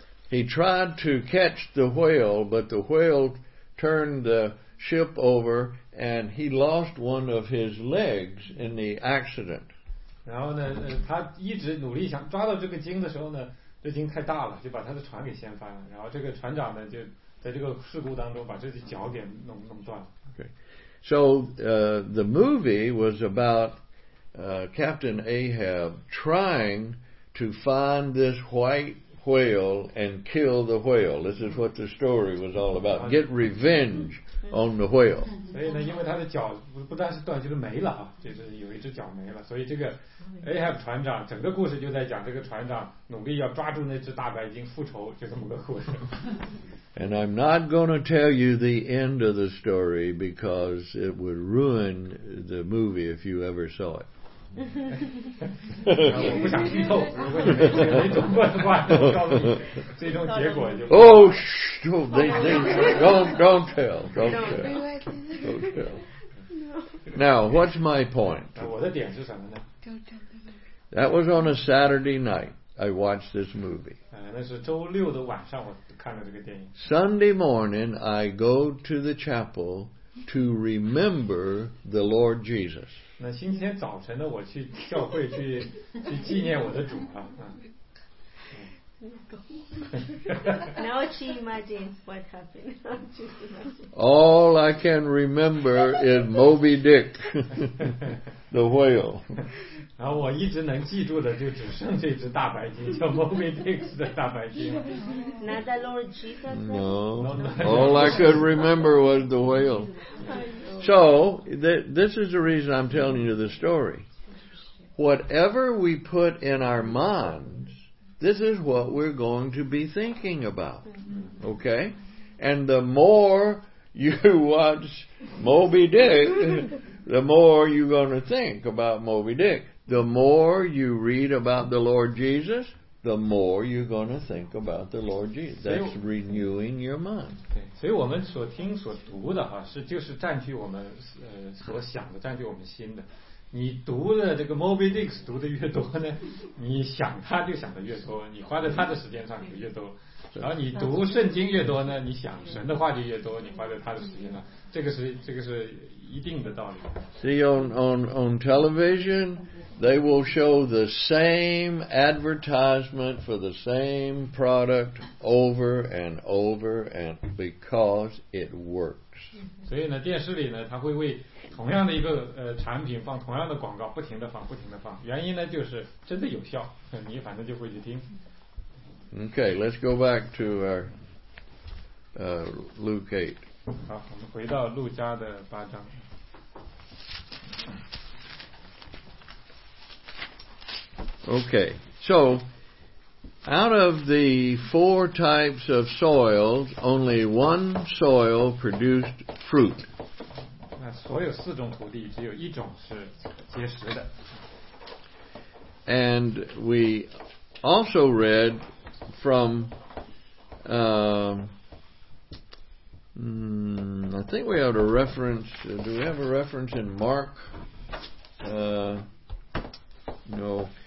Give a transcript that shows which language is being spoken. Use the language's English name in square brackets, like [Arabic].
[English] He tried to catch the whale, but the whale turned the ship over, and he lost one of his legs in the accident. [Chinese] 然后呢，他一直努力想抓到这个鲸的时候呢，这鲸太大了，就把他的船给掀翻了。然后这个船长呢，就在这个事故当中把自己脚给弄断了。 [English] Okay. So the movie was about Captain Ahab trying to find this white whale and kill the whale. This is what the story was all about. Get revenge on the whale. [Chinese] 所以呢，因为他的脚不但是断，就是没了啊，就是有一只脚没了。所以这个 Ahab 船长，整个故事就在讲这个船长努力要抓住那只大白鲸复仇，就这么个故事。 [English] And I'm not going to tell you the end of the story because it would ruin the movie if you ever saw it. [Chinese] 我不想剧透，如果你没读过的话，告诉你最终结果就。 [English] Don't tell. Now, what's my point? [Chinese] 我的点是什么呢 [English] ？That was on a Saturday night. I watched this movie. [Chinese] 那是周六的晚上，我看了这个电影。 [English] Sunday morning, I go to the chapel to remember the Lord Jesus. [Chinese] 那星期天早晨呢，我去教会去纪念我的主啊。 [English] Now can you imagine what happened? All I can remember is Moby Dick, the whale. [Chinese] 然后我一直能记住的就只剩这只大白鲸，叫 Moby Dick 的大白鲸。 [English] Not the Lord Jesus. No. All I could remember was the whale. So this is the reason I'm telling you the story. Whatever we put in our minds, this is what we're going to be thinking about. Okay? And the more you watch Moby Dick, the more you're going to think about Moby Dick. The more you read about the Lord Jesus, the more you're going to think about the Lord Jesus. That's renewing your mind. [Chinese] 所以我们所听所读的哈，是就是占据我们所想的，占据我们心的。你读的这个 Moby Dick 读的越多呢，你想他就想的越多，你花在他的时间上就越多。然后你读圣经越多呢，你想神的话就越多，你花在他的时间上，这个是一定的道理。 [English] See on television, they will show the same advertisement for the same product over and over and because it works. [Chinese] 所以呢，电视里呢，他会为同样的一个产品放同样的广告，不停的放，原因呢就是真的有效，你反正就会去听。 [English] Okay, let's go back to our Luke 8. [Chinese] 好，我们回到路加的八章。 [English] Okay, so out of the four types of soils, only one soil produced fruit. [Chinese] 那所有四种土地只有一种是结实的。 [English] And we also read from I think we have a reference. Do we have a reference in Mark? No.